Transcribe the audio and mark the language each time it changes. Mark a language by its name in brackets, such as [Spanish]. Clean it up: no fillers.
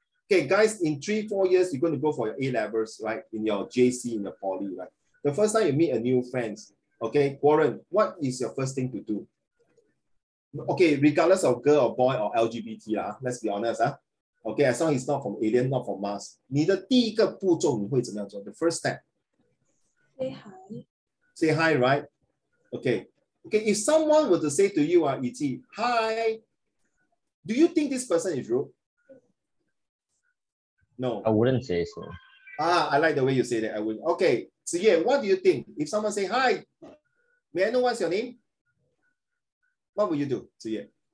[English] Okay, guys, in 3-4 years, you're going to go for your A-levels, right? In your JC, in your poly, right? The first time you meet a new friend, okay, Warren, what is your first thing to do? Okay, regardless of girl or boy or LGBT, let's be honest. Okay, as long as it's not from alien, not from Mars. [Chinese] 你的第一个步骤你会怎么样做? [English] The first step. Say hi. Say hi, right? Okay. Okay, if someone were to say to you, E.T., hi, do you think this person is rude? No. I wouldn't say so. I like the way you say that. I would. Okay. So yeah, what do you think? If someone say, hi, may I know what's your name? What would you do, Zuye?